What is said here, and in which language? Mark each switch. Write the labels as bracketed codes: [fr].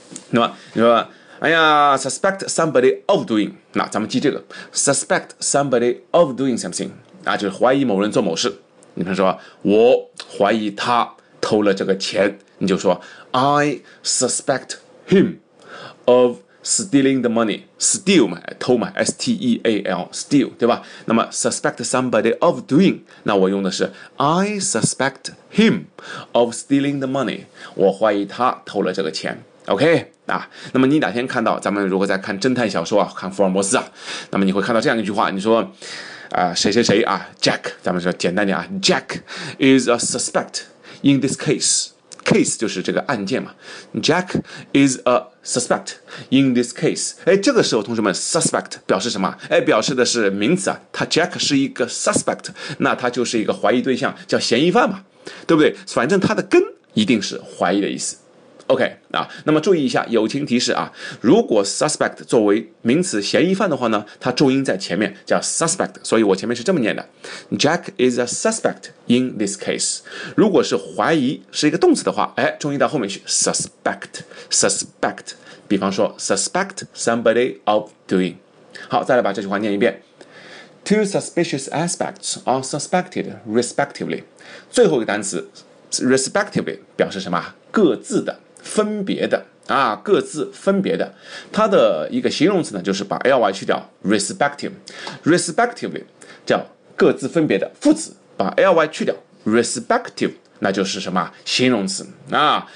[zh] 那么你说，哎呀 ， [en] suspect somebody of doing， [zh] 那咱们记这个 ， [en] suspect somebody of doing something， [zh] 啊，就是怀疑某人做某事。你比如说，我怀疑他偷了这个钱，你就说 ， [en] I suspect him of stealing the money， [zh] steal 嘛，偷嘛 ，S-T-E-A-L， steal， 对吧？那么 [en] suspect somebody of doing， [zh] 那我用的是 [en] I suspect him of stealing the money， [zh] 我怀疑他偷了这个钱。 OK 啊，那么你哪天看到，咱们如果在看侦探小说啊，看福尔摩斯啊，那么你会看到这样一句话，你说，谁谁谁啊 ，Jack， 咱们说简单点啊 ， [en] Jack is a suspect in this case。 [zh] Case 就是这个案件嘛 ， [en] Jack is a suspect in this case。 [zh] 哎，这个时候同学们 ，suspect 表示什么？哎，表示的是名词啊。他 Jack 是一个 suspect， 那他就是一个怀疑对象，叫嫌疑犯嘛，对不对？反正他的根一定是怀疑的意思。OK 啊，那么注意一下友情提示啊，如果 suspect 作为名词嫌疑犯的话呢，它重音在前面叫 suspect， 所以我前面是这么念的 ， [en] Jack is a suspect in this case。 [zh] 如果是怀疑是一个动词的话，哎，重音到后面去 suspect。比方说 [en] suspect somebody of doing。 [zh] 好，再来把这句话念一遍 ， [en] Two suspicious aspects are suspected respectively。 [zh] 最后一个单词 respectively 表示什么？各自的。分别的啊，各自分别的，它的一个形容词呢，就是把 ly 去掉 ，respectively 叫各自分别的副词，把 ly 去掉 ，respective 那就是什么形容词啊？